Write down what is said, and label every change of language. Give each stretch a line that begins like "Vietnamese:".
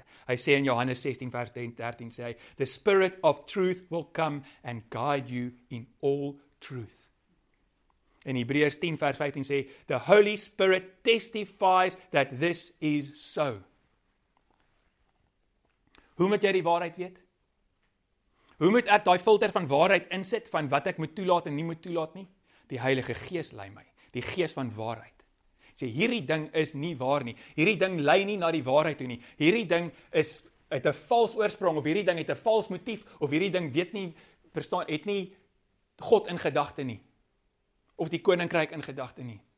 Afrikaans: Hy sê in Johannes 16 vers 13 sê hy,
English: the Spirit of truth will come and guide you in all truth.
Afrikaans: In Hebreërs 10 vers 15 sê,
English: the Holy Spirit testifies that this is so.
Afrikaans: Hoe moet jy die waarheid weet? Hoe moet ek daai filter van waarheid insit, van wat ek moet toelaat en nie moet toelaat nie? Die Heilige Gees lei my, die Gees van waarheid. Sê, hierdie ding is nie waar nie, hierdie ding lei nie na die waarheid toe nie, hierdie ding is het 'n vals oorsprong, of hierdie ding het 'n vals motief, of hierdie ding weet nie, verstaan, het nie God in gedagte nie, of die Koninkryk in gedagte nie.